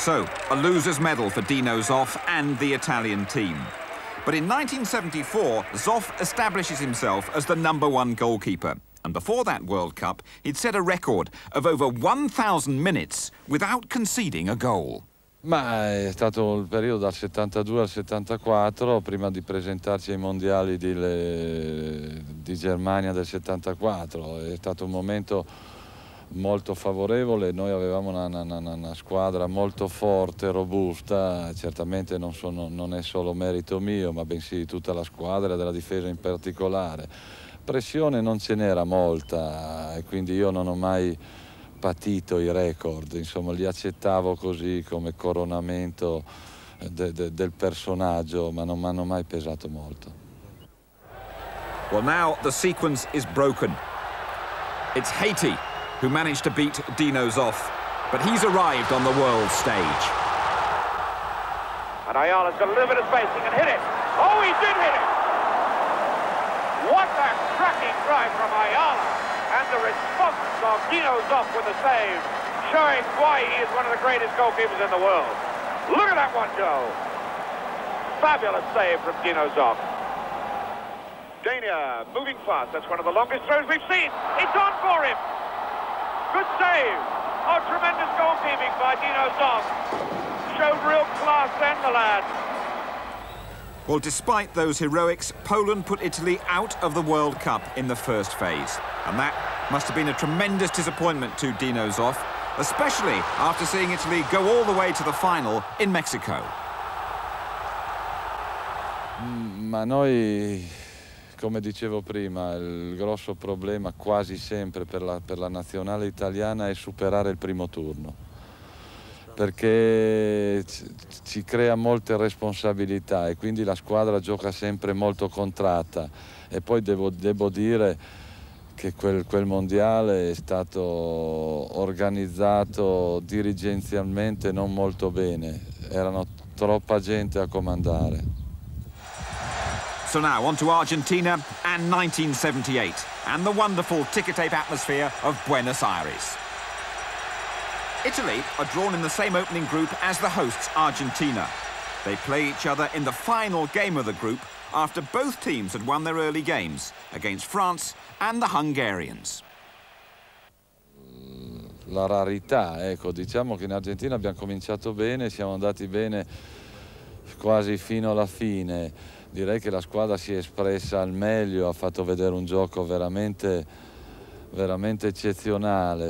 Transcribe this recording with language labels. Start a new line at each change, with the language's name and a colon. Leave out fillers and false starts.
English: So, a loser's medal for Dino Zoff and the Italian team. But in 1974, Zoff establishes himself as the number one goalkeeper. And before that World Cup, he'd set a record of over 1,000 minutes without conceding a goal.
Italian: Ma è stato il periodo dal 72 al 74, prima di presentarci ai mondiali di Germania del 74. È stato un momento molto favorevole, noi avevamo una squadra molto forte, robusta, certamente non è solo merito mio, ma bensì di tutta la squadra e della difesa in particolare. Pressione non ce n'era molta e quindi io non ho mai patito i record, insomma li accettavo così come coronamento del personaggio, ma non mi hanno mai pesato molto.
English: Well, now the sequence is broken. It's Haiti who managed to beat Dino Zoff, but he's arrived on the world stage. And Ayala's got a little bit of space, he can hit it. Oh, he did hit it! What a cracking try from Ayala! And the response of Dino Zoff with the save, showing why he is one of the greatest goalkeepers in the world. Look at that one, Joe! Fabulous save from Dino Zoff. Dania, moving fast, that's one of the longest throws we've seen. It's on for him! Good save! Oh, tremendous goalkeeping by Dino Zoff. Showed real class then, the lad. Well, despite those heroics, Poland put Italy out of the World Cup in the first phase. And that must have been a tremendous disappointment to Dino Zoff, especially after seeing Italy go all the way to the final in Mexico.
Italian: Ma noi, come dicevo prima, il grosso problema quasi sempre per la nazionale italiana è superare il primo turno. Perché ci crea molte responsabilità e quindi la squadra gioca sempre molto contratta. E poi devo dire che quel mondiale è stato organizzato dirigenzialmente non molto bene. Erano troppa gente a comandare.
English: So now on to Argentina and 1978 and the wonderful ticker tape atmosphere of Buenos Aires. Italy are drawn in the same opening group as the hosts, Argentina. They play each other in the final game of the group after both teams had won their early games against France and the Hungarians.
Italian: La rarità, ecco, diciamo che in Argentina abbiamo cominciato bene, siamo andati bene quasi fino alla fine. Direi che la squadra si è espressa al meglio, ha fatto vedere un gioco veramente, veramente eccezionale.